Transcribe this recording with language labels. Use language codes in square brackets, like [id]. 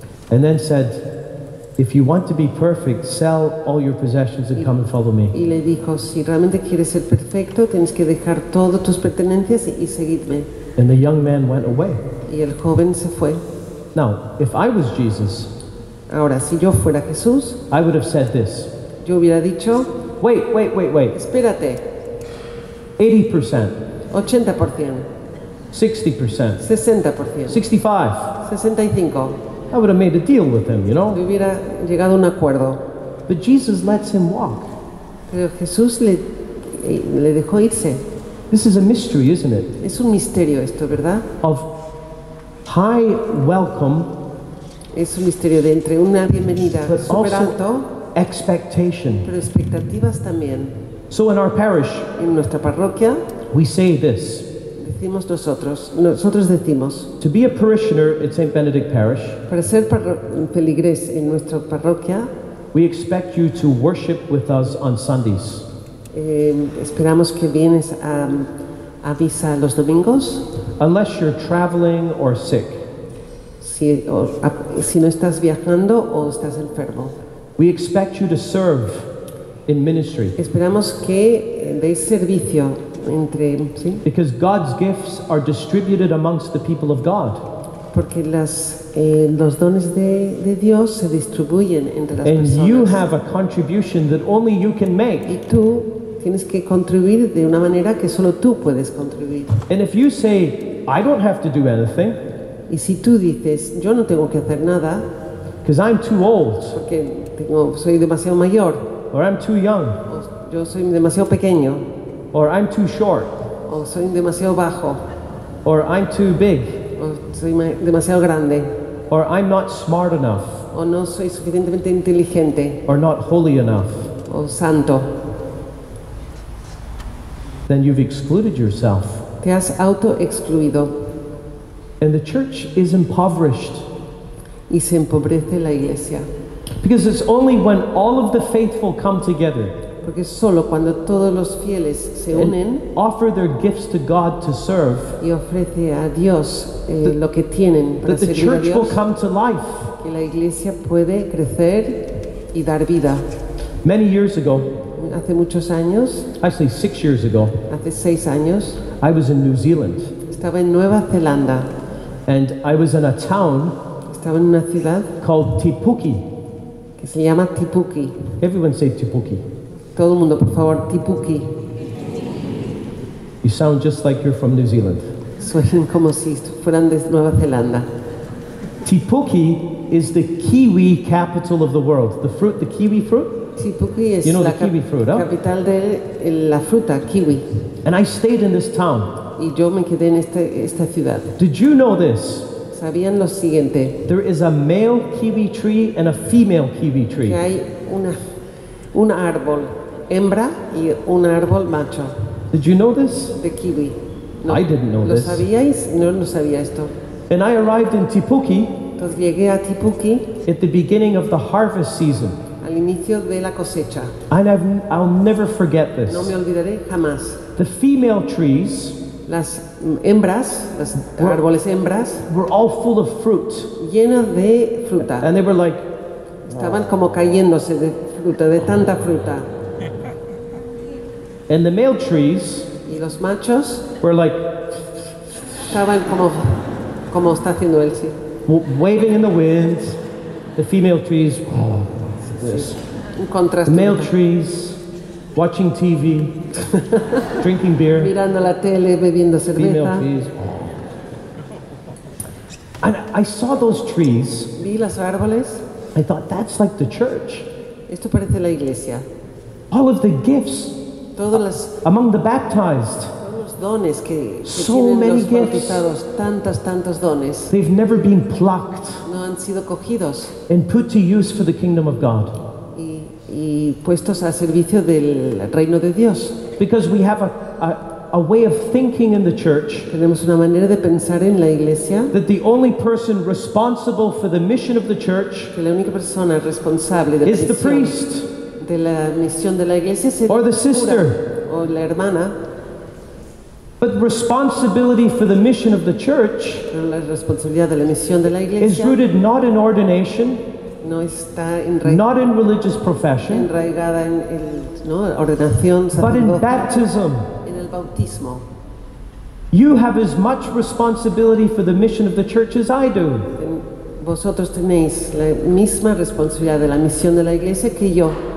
[en] And then said, if you want to be perfect, sell all your possessions and come and follow me. [es] Y le dijo, si realmente quieres ser perfecto, tienes que dejar todas tus pertenencias y seguidme. [en] And the young man went away. [es] Y el joven se fue. [en] Now, if I was Jesus, [es] Ahora, si yo fuera Jesús, [en] I would have said this. [es] Yo hubiera dicho, [en] wait. [es] Espérate. [en] 80%. [es] 80%. [en] 60%. [es] 60%. [en] 65%. [es] 65%. [en] I would have made a deal with him, you know? [es] Yo hubiera llegado a un acuerdo. [en] But Jesus lets him walk. [es] Pero Jesús le dejó irse. [en] This is a mystery, isn't it? [es] Es un misterio esto, ¿verdad? [en] Of high welcome. [es] Es un misterio de entre una bienvenida super alto, [en] expectation. [es] Pero expectativas también. [en] So in our parish, [es] en nuestra parroquia, [en] we say this. [es] Decimos nosotros decimos. [en] To be a parishioner at St. Benedict Parish. [es] Para ser feligres en nuestra parroquia. [en] We expect you to worship with us on Sundays. [es] Esperamos que vienes a misa los domingos. [en] Unless you're traveling or sick. [es] Si no estás viajando o estás enfermo. [en] We expect you to serve in ministry. [es] Esperamos que deis servicio entre, ¿sí? [en] Because God's gifts are distributed amongst the people of God. [es] Porque los dones de Dios se distribuyen entre las [en] and [es] personas. [en] You have a contribution that only you can make. [es] Y tú tienes que contribuir de una manera que solo tú puedes contribuir. [en] And if you say, I don't have to do anything, [es] y si tú dices, yo no tengo que hacer nada, [en] because I'm too old, [es] porque soy demasiado mayor, [en] or I'm too young, [es] o yo soy demasiado pequeño, [en] or I'm too short, [es] o soy demasiado bajo, [en] or I'm too big, [es] soy demasiado grande, [en] or I'm not smart enough, [es] o no soy suficientemente inteligente, [en] or not holy enough, [es] o santo, [en] then you've excluded yourself. [es] Te has auto excluido. [en] And the church is impoverished. [es] Y se empobrece la iglesia. [en] Because it's only when all of the faithful come together, [es] porque solo cuando todos los fieles se unen, [en] offer their gifts to God to serve, [es] y ofrece a Dios lo que tienen para [en] servir a Dios, that the church will come to life, [es] que la iglesia puede crecer y dar vida. [en] Many years ago, [es] hace muchos años, [en] actually 6 years ago, [es] hace 6 años, [en] I was in New Zealand. [es] Estaba en Nueva Zelanda. [en] And I was in a town, [es] estaba en una ciudad, [en] called Tipuki, [es] que se llama Tipuki. [en] Everyone say Tipuki. [es] Todo el mundo, por favor, Tipuki. [en] You sound just like you're from New Zealand. [es] Suenan como si fueran de Nueva Zelanda. [en] Tipuki is the kiwi capital of the world. The fruit, the kiwi fruit? [es] Tipuki es, [en] you know, [es] la [en] kiwi fruit, [es] capital de la fruta, kiwi. [en] And I stayed in this town. [es] Y yo me quedé en esta ciudad. [en] Did you know this? [es] ¿Sabían lo siguiente? [en] There is a male kiwi tree and a female kiwi tree. [es] Que hay un árbol hembra y un árbol macho. [en] Did you know this? [es] De kiwi. [en] No, I didn't know [es] lo [en] this. [es] ¿Lo sabíais? No lo sabía esto. [en] And I arrived in Tipuki. [es] Entonces llegué a Tipuki. [en] At the beginning of the harvest season. [es] Al inicio de la cosecha. [en] And I'll never forget this. [es] No me olvidaré jamás. [en] The female trees, [es] las hembras, las árboles hembras, [en] were all full of fruit, [es] llenas de fruta, [en] and they were like, [es] estaban como cayéndose de fruta, de tanta fruta. [en] And the male trees, [es] y los machos, [en] were like, [es] estaban como está haciendo él, sí, [en] waving in the wind. The female trees, [es] un contraste. [en] The male trees, watching TV, drinking beer, [es] mirando la tele, bebiendo cerveza. [en] Female trees. And I saw those trees. [es] Vi los árboles. [en] I thought, that's like the church. [es] Esto parece la iglesia. [en] All of the gifts. Among the baptized. [es] Los dones que [en] so many gifts. [es] Tantos dones. [en] They've never been plucked. [es] No han sido cogidos. [en] And put to use for the kingdom of God. [es] Y puestos a servicio del reino de Dios. [en] Because we have a way of thinking in the church. [es] Tenemos una manera de pensar en la iglesia. [en] That the only person responsible for the mission of the church, [es] que la única persona responsable de la [en] is the priest, [es] de la misión de la iglesia, es el [en] or the sister, [es] o la hermana. [en] But responsibility for the mission of the church, [es] pero la responsabilidad de la misión de la iglesia, [en] is rooted not in ordination, [es] no está [en] not in religious profession, [es] enraigada en el, ¿no? Ordenación, [en] but in baptism. [es] En el bautismo. [en] You have as much responsibility for the mission of the church as I do. [es] vosotros tenéis la misma responsabilidad de la misión de la Iglesia que yo.